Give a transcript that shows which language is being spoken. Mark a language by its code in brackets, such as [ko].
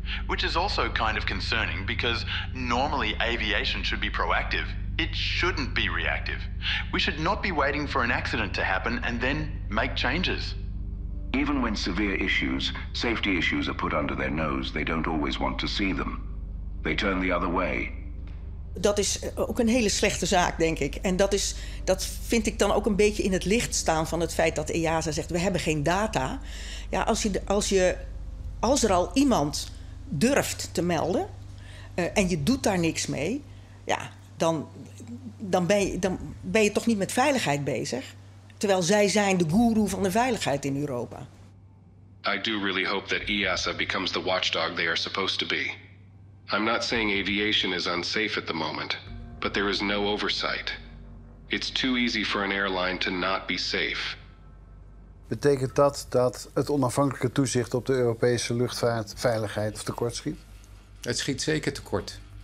[en] Which is also kind of concerning because normally aviation should be proactive. It shouldn't be reactive. We should not be waiting for an accident to happen and then make changes. Even when severe issues, safety issues are put under their nose, they don't always want to see them. They turn the other way. [nl] Dat is ook een hele slechte zaak, denk ik. En dat vind ik dan ook een beetje in het licht staan van het feit dat EASA zegt, we hebben geen data. Ja, als er al iemand durft te melden en je doet daar niks mee, ja, dan ben je toch niet met veiligheid bezig. Terwijl zij zijn de guru van de veiligheid in Europa. [en] I do really hope that EASA becomes the watchdog they are supposed to be. I'm not saying aviation is unsafe at the moment, but there is no oversight. It's too easy for an airline to not be safe. [nl] Betekent dat dat het onafhankelijke toezicht op de Europese luchtvaartveiligheid tekort schiet? Het schiet zeker tekort.